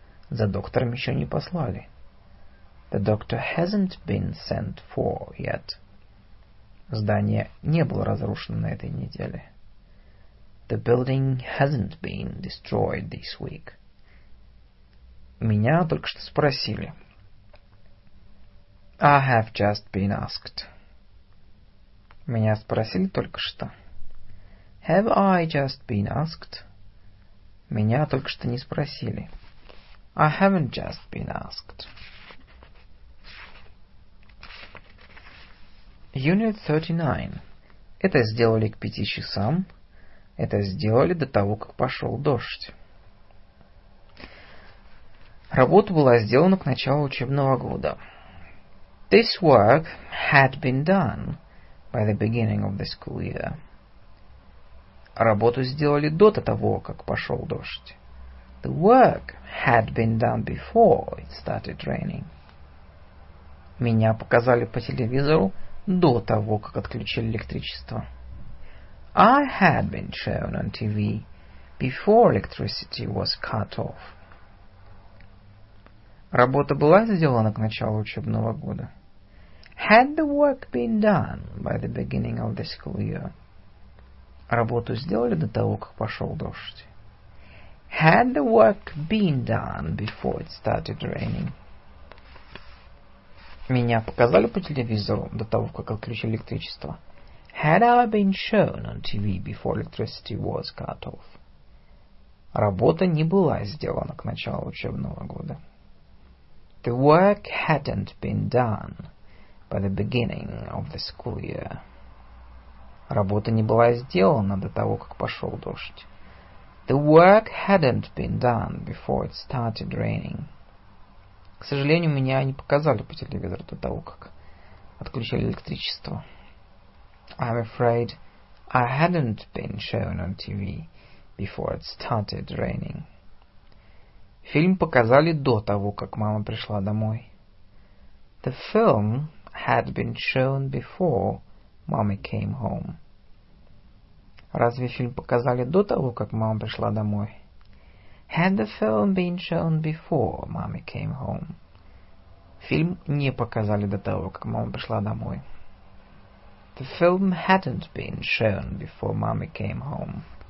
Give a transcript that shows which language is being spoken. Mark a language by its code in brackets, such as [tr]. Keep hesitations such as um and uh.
[ru] За доктором еще не послали. [en] The doctor hasn't been sent for yet. [ru] Здание не было разрушено на этой неделе. [en] The building hasn't been destroyed this week. [ru] Меня только что спросили. [en] I have just been asked. [ru] Меня спросили только что. [en] Have I just been asked? [ru] Меня только что не спросили. [en] I haven't just been asked. Unit 39. [ru] Это сделали к пяти часам. Это сделали до того, как пошел дождь. Работа была сделана к началу учебного года. [en] This work had been done by the beginning of the school year. [ru] Работу сделали до того, как пошел дождь. [en] The work had been done before it started raining. [ru] Меня показали по телевизору до того, как отключили электричество. [en] I had been shown on TV before electricity was cut off. [ru] Работа была сделана к началу учебного года. [en] Had the work been done by the beginning of the school year? [ru] Работу сделали до того, как пошел дождь. [en] Had the work been done before it started raining? [ru] Меня показали по телевизору до того, как отключили электричество. [en] Had I been shown on TV before electricity was cut off? [ru] Работа не была сделана к началу учебного года. [en] The work hadn't been done by the beginning of the school year. [ru] Работа не была сделана до того, как пошел дождь. [en] The work hadn't been done before it started raining. [ru] К сожалению, меня не показали по телевизору до того, как отключили электричество. [en] I'm afraid I hadn't been shown on TV before it started raining. [ru] Фильм показали до того, как мама пришла домой. [en] The film had been shown before mommy came home. [ru] Разве фильм показали до того, как мама пришла домой? [en] Had the film been shown before mommy came home? [ru] Фильм не показали до того, как мама пришла домой. [en] The film hadn't been shown before mommy came home.